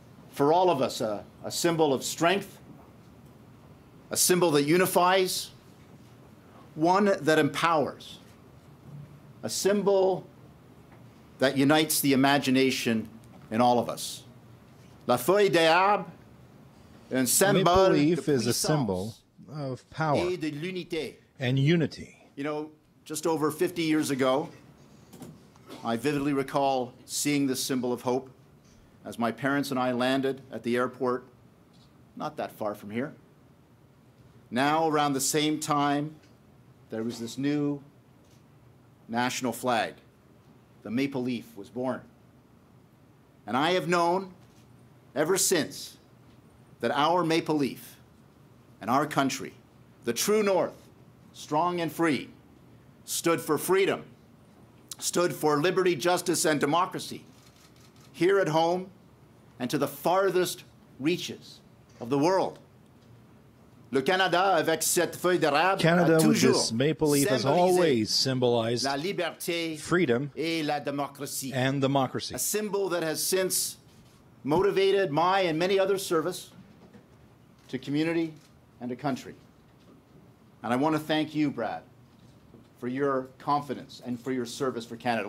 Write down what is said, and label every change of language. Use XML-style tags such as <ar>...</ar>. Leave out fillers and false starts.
<en>For all of us, a symbol of strength, a symbol that unifies, one that empowers, a symbol that unites the imagination in all of us.</en> <fr>La feuille d'arbre, un symbole de puissance,</fr> <en>is a symbol of power</en> <fr>et de l'unité.</fr> <en>And unity. You know, just over 50 years ago, I vividly recall seeing this symbol of hope as my parents and I landed at the airport, not that far from here. Now, around the same time, there was this new national flag. The maple leaf was born. And I have known ever since that our maple leaf and our country, the true North, strong and free, stood for freedom, stood for liberty, justice, and democracy here at home and to the farthest reaches of the world.</en> <fr>Le Canada, avec cette feuille d'arabe,</fr> <en>Canada a with this maple leaf has always symbolized</en> <fr>la liberté,</fr> <en>freedom,</en> <fr>et la démocratie.</fr> <en>And democracy. A symbol that has since motivated my and many other service to community and to country. And I want to thank you, Brad, for your confidence and for your service for Canada.</en>